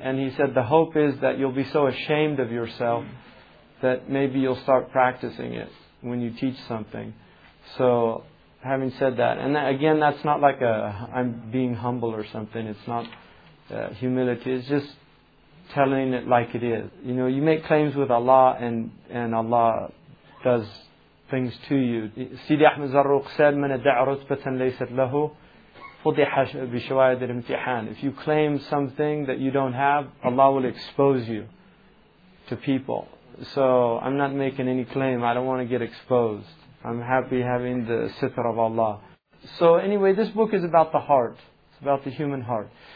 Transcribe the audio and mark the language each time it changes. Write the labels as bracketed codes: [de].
[en] And he said, the hope is that you'll be so ashamed of yourself that maybe you'll start practicing it when you teach something. So having said that, and that, again, that's not like I'm being humble or something. It's not humility. It's just telling it like it is. You know, you make claims with Allah, and Allah does things to you. [ar] Sidi Ahmed Zarruq said, مَنَ دَعَ رُتْبَةً لَيْسَتْ لَهُ فُضِحَ بِشَوَائِدِ الْمْتِحَانِ. [en] If you claim something that you don't have, Allah will expose you to people. So I'm not making any claim. I don't want to get exposed. I'm happy having the sitr of Allah. So anyway, this book is about the heart. It's about the human heart.